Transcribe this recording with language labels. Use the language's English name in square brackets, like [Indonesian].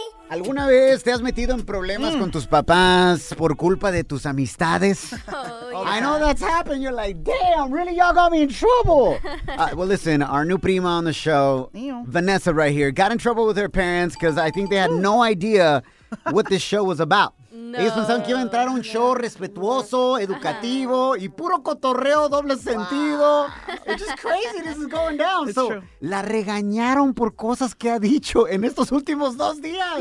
[Spanish] ¿Alguna vez te has metido en problemas con tus papás por culpa de tus amistades? [English] Oh, yeah. I know that's happened. You're like, damn, really, y'all got me in trouble. Well, listen, our new prima on the show, Vanessa right here, got in trouble with her parents because I think they had no idea what this show was about. No. [Spanish] Ellos pensaron que iba a entrar a un show respetuoso, educativo, y puro cotorreo, doble sentido. [English] Wow. It's just crazy this is going down. It's so true. [Spanish] La regañaron por cosas que ha dicho en estos últimos dos días.